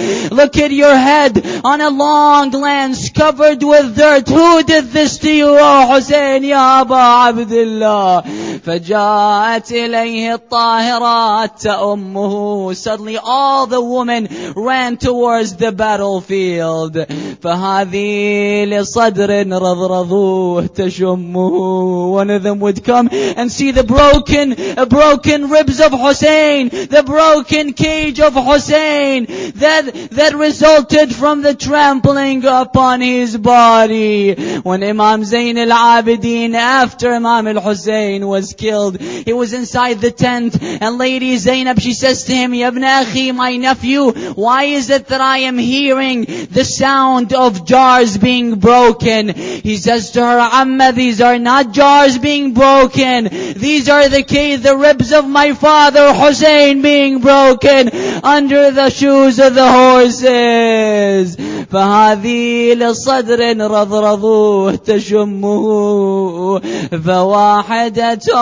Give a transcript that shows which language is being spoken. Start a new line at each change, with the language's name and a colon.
English: Look at your head on a long lance covered with dirt. Who did this to you, O Hussein, Ya Aba Abdullah?
Arabic: فجاءت إليه الطاهرات أمه.
English: Suddenly all the women ran towards the battlefield.
Arabic: فهذه لصدر رضرضوه تشمه.
English: One of them would come and see the broken ribs of Hussein, the broken cage of Hussein that resulted from the trampling upon his body. When Imam Zain al-Abidin, after Imam al-Hussein was killed, he was inside the tent, and Lady Zainab, she says to him, Ya ibn Akhi, my nephew, why is it that I am hearing the sound of jars being broken? He says to her, Amma, these are not jars being broken. These are the ribs of my father Hussein being broken under the shoes of the horses.
Arabic: فهذه لصدر رضرضوه تشمه فواحدة